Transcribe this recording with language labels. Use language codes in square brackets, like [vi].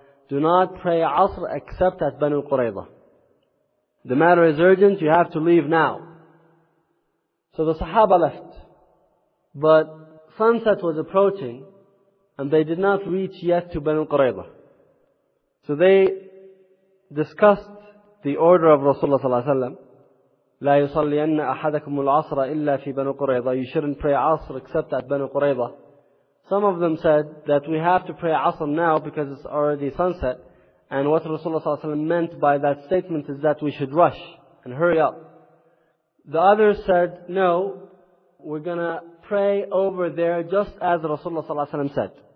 [en] Do not pray عصر except at بنو قريضة. The matter is urgent, you have to leave now. So the Sahaba left. But sunset was approaching, and they did not reach yet to بنو قريضة. So they discussed the order of Rasulullah صلى الله عليه وسلم. [ar] لا يصلين أحدكم العصر إلا في بنو قريضة. [en] You shouldn't pray عصر except at بنو قريضة. Some of them said that we have to pray عصر now because it's already sunset. And what Rasulullah ﷺ meant by that statement is that we should rush and hurry up. The others said, no, we're going to pray over there just as Rasulullah ﷺ said.